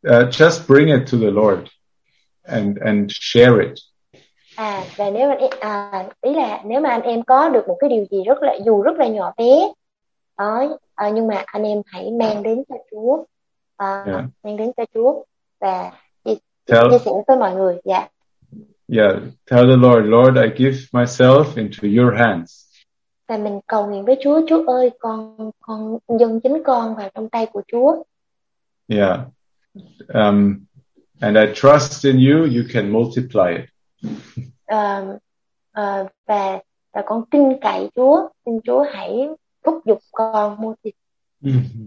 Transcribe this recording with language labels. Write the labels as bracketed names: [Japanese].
[English] Just bring it to the Lord and share it. [Vietnamese] À, và nếu mà ý là nếu mà anh em có được một cái điều gì rất là dù rất là nhỏ bé, nhưng mà anh em hãy mang đến cho Chúa, mang đến cho Chúa và chia sẻ với mọi người. [English] Tell the Lord, Lord, I give myself into your hands. [Vietnamese] Và mình cầu nguyện với Chúa, Chúa ơi, con dâng chính con vào trong tay của Chúa. [English] Yeah. And I trust in you. You can multiply it. [Vietnamese] Và con tin cậy Chúa, xin Chúa hãy thúc giục con [English] multiply.